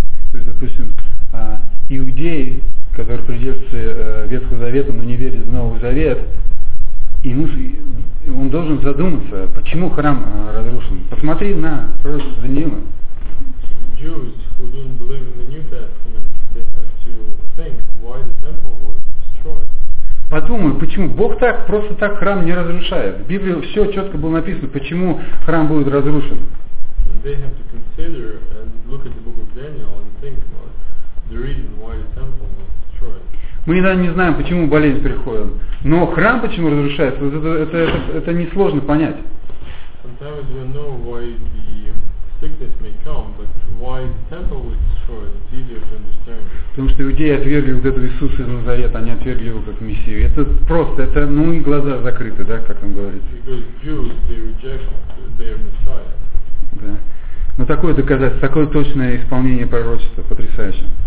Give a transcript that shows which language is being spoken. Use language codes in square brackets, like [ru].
[ru] То есть, допустим, иудеи, которые придерживаются Ветхого Завета, но не верят в Новый Завет, ему, он должен задуматься, почему храм разрушен. Посмотри на пророка Даниила. [en] Jews who don't believe in the New Testament, they have to think why the temple was destroyed. [ru] Подумай, почему Бог так просто так храм не разрушает? В Библии все четко было написано, почему храм будет разрушен. [en] They have to consider and look at the book of Daniel and think about the reason why the temple was destroyed. [ru] Мы иногда не знаем, почему болезнь приходит, но храм почему разрушается, это несложно понять. [en] Sometimes we don't know why the sickness may come, but why the temple was destroyed, it's easier to understand. [ru] Потому что иудеи отвергли вот этого Иисуса из Назарета, они отвергли его как Мессию. Это просто, это, ну и глаза закрыты, да, как он говорит. [en] Because Jews, they rejected their Messiah. [ru] Да. Но такое доказательство, такое точное исполнение пророчества, потрясающе.